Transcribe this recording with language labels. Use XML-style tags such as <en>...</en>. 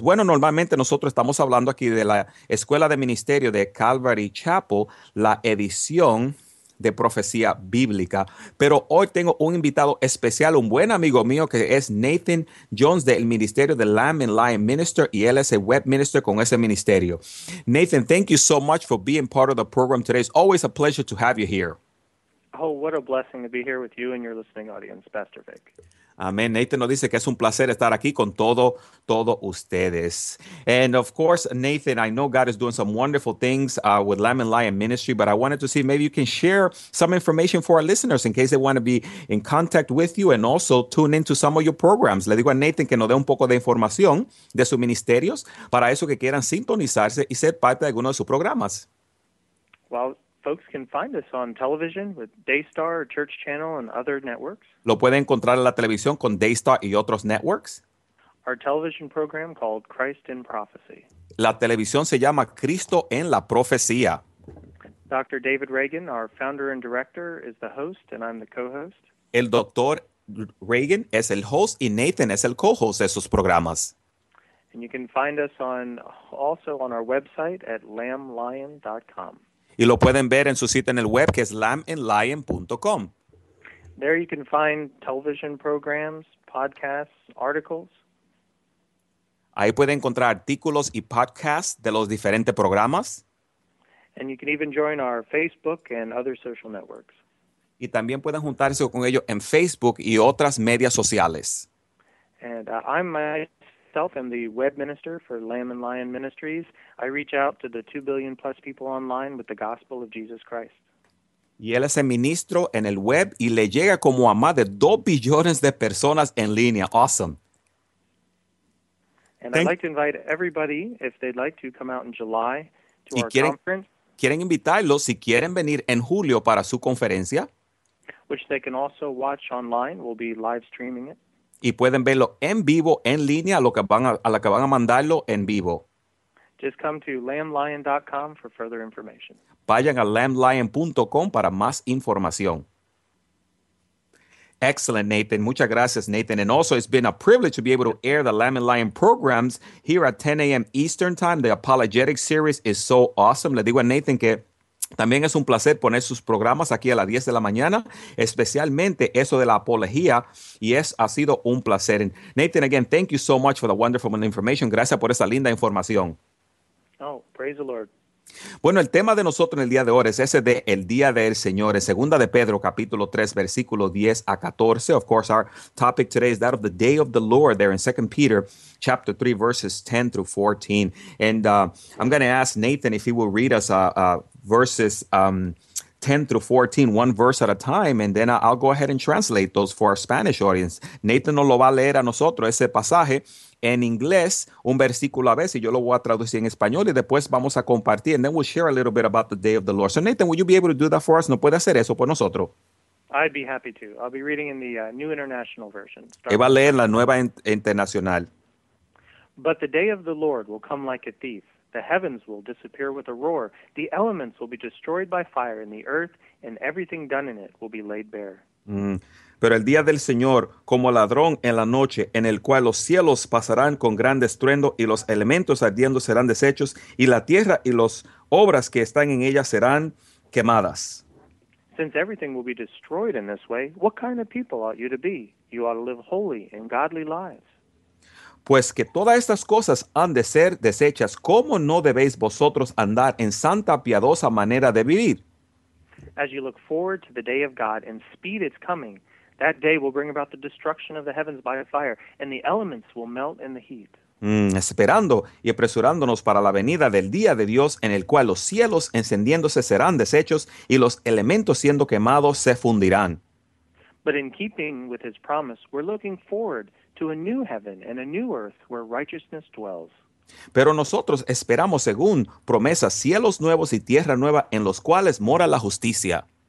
<es>Bueno, normalmente nosotros estamos hablando aquí de la Escuela de Ministerio de Calvary Chapel, la edición de profecía bíblica. Pero hoy tengo un invitado especial, un buen amigo mío que es Nathan Jones del Ministerio de Lamb and Lion Minister, y él es el web minister con ese ministerio.</es> <en>Nathan, thank you so much for being part of the program today. It's always a pleasure to have you here. Oh, what a blessing to be here with you and your listening audience, Pastor Vic.</en> <es>Amén. Nathan nos dice que es un placer estar aquí con todo ustedes.</es> <en>And of course, Nathan, I know God is doing some wonderful things with Lamb and Lion Ministry, but I wanted to see maybe you can share some information for our listeners in case they want to be in contact with you and also tune into some of your programs.</en> <es>Le digo a Nathan que nos dé un poco de información de sus ministerios para eso que quieran sintonizarse y ser parte de alguno de sus programas.</es> <en>Well, folks can find us on television with Daystar, Church Channel, and other networks.</en> <es>¿Lo puede encontrar en la televisión con Daystar y otros networks?</es> <en>Our television program called Christ in Prophecy.</en> <es>La televisión se llama Cristo en la Profecía.</es> <en>Dr. David Reagan, our founder and director, is the host, and I'm the co-host.</en> <es>El Dr. Reagan es el host y Nathan es el co-host de sus programas.</es> <en>And you can find us on also on our website at lamblion.com.</en> <es>Y lo pueden ver en su sitio en el web, que es lambandlion.com.</es> <en>There you can find television programs, podcasts, articles.</en> <es>Ahí puede encontrar artículos y podcasts de los diferentes programas.</es> <en>And you can even join our Facebook and other social networks.</en> <es>Y también pueden juntarse con ellos en Facebook y otras medias sociales.</es> <en>And I'm myself am the web minister for Lamb and Lion Ministries. I reach out to the 2 billion plus people online with the gospel of Jesus Christ.</en> <es>Y él es el ministro en el web y le llega como a más de 2 billones de personas en línea.</es> <en>Awesome. And I'd like to invite everybody, if they'd like to come out in July to our conference.</en> <es>¿Quieren invitarlos si quieren venir en julio para su conferencia?</es> <en>Which they can also watch online. We'll be live streaming it.</en> <es>Y pueden verlo en vivo, en línea, a la que van a mandarlo en vivo.</es> <en>Just come to lamblion.com for further information.</en> <es>Vayan a lamblion.com para más información.</es> <en>Excellent, Nathan.</en> <es>Muchas gracias, Nathan.</es> <en>And also, it's been a privilege to be able to air the Lamb and Lion programs here at 10 a.m. Eastern Time. The Apologetic Series is so awesome.</en> <es>Le digo a Nathan que también es un placer poner sus programas aquí a las 10 de la mañana, especialmente eso de la apología, y es ha sido un placer.</es> <en>Nathan, again, thank you so much for the wonderful information.</en> <es>Gracias por esa linda información.</es> <en>Oh, praise the Lord.</en> <es>Bueno, el tema de nosotros en el día de hoy es ese de el día del Señor, en segunda de Pedro, capítulo 3, versículo 10 a 14.</es> <en>Of course, our topic today is that of the day of the Lord there in 2 Peter, chapter 3, verses 10 through 14. And I'm going to ask Nathan if he will read us verses 10 through 14, one verse at a time, and then I'll go ahead and translate those for our Spanish audience.</en> <es>Nathan nos lo va a leer a nosotros ese pasaje en inglés, un versículo a veces, y yo lo voy a traducir en español, y después vamos a compartir,</es> <en>and then we'll share a little bit about the day of the Lord. So Nathan, will you be able to do that for us?</en> <es>¿No puede hacer eso por nosotros?</es> <en>I'd be happy to. I'll be reading in the New International Version.</en> <es>Él va a leer la nueva internacional.</es> <en>But the day of the Lord will come like a thief. The heavens will disappear with a roar. The elements will be destroyed by fire, and the earth and everything done in it will be laid bare.</en> <es>Pero el día del Señor, como ladrón en la noche, en el cual los cielos pasarán con gran estruendo, y los elementos ardiendo serán deshechos, y la tierra y las obras que están en ella serán quemadas.</es> <en>Since everything will be destroyed in this way, what kind of people ought you to be? You ought to live holy and godly lives.</en> <es>Pues que todas estas cosas han de ser desechas, ¿cómo no debéis vosotros andar en santa, piadosa manera de vivir?</es> <en>As you look forward to the day of God and speed its coming, that day will bring about the destruction of the heavens by fire, and the elements will melt in the heat.</en> <es>Esperando y apresurándonos para la venida del día de Dios, en el cual los cielos encendiéndose serán deshechos, y los elementos siendo quemados se fundirán.</es> <en>But in keeping with his promise, we're looking forward to a new heaven and a new earth where righteousness dwells.</en> <es>Pero nosotros esperamos, según promesa, cielos nuevos y tierra nueva en los cuales mora la justicia.</es>